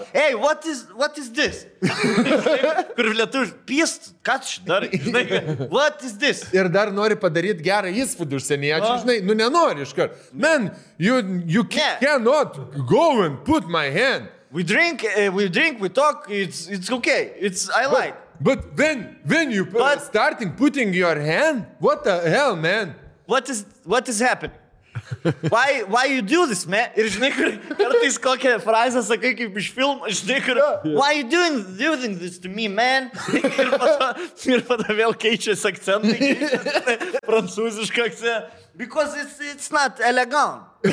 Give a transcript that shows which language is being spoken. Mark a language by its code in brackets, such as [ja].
[en] Hey, what is this? [lt] Kur lietuvių, pist, ką čia dar? [en] What is this? [lt] Ir dar nori padaryti gerą įspūdį užsieniečių, žinai, nu nenori iškart. [en] Man, you cannot go and put my hand. We drink, we talk, it's okay. It's I like. But when you but, starting putting your hand, what the hell, man? What is happening? why you do this, man? [lt] Ir žinai, kur kartais kokią frazę sakai kaip iš filmo, žinai, kur [en] why you doing this to me, man? [lt] ir pada vėl keičiasi akcentai, keičiasi prancūziška akcentai. [en] Because it's not elegant.